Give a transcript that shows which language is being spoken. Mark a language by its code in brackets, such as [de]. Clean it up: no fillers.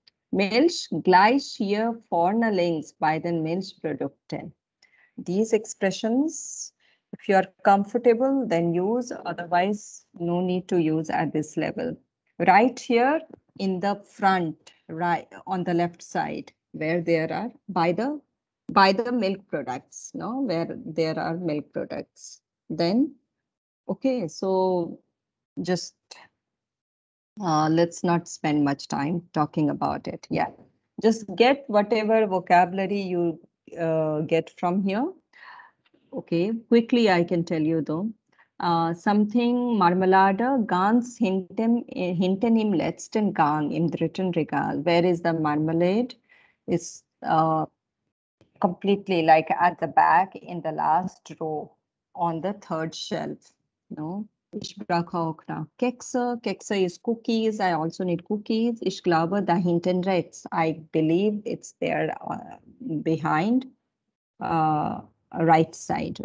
[de] Milch, gleich hier vorne links bei den Milchprodukten. [en] These expressions, if you are comfortable, then use. Otherwise, no need to use at this level. Right here in the front, right on the left side, where there are by the milk products, no? Where there are milk products. Then, okay, so just let's not spend much time talking about it. Yeah, just get whatever vocabulary you get from here. Okay, quickly I can tell you though. Something marmalade, [de] ganz hinten im letzten Gang, im dritten Regal. [en] Where is the marmalade? It's completely like at the back in the last row on the third shelf. [de] No, ich brauche auch noch Kekse. Kekse [en] is cookies. I also need cookies. [de] Ich glaube da hinten rechts. [en] I believe it's there behind right side.